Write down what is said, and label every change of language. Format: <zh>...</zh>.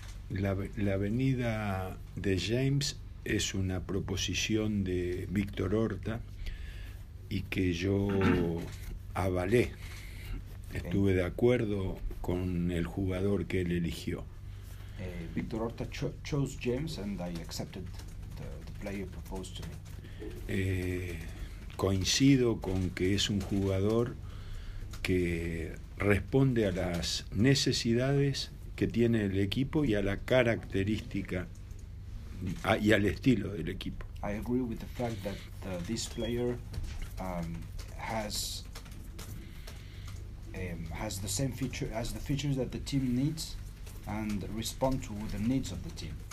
<es>La venida de James es una proposición de Víctor Horta y que yo avalé. Estuve de acuerdo con el jugador que él eligió.</es> <en>Víctor Horta chose James and I accepted the player proposed to me.</en> <es>Coincido con que es un jugador que responde a las necesidades que tiene el equipo y a la característica y al estilo del equipo.</es> <en>I agree with the fact that this player has the same feature as the features that the team needs and respond to the needs of the team.</en>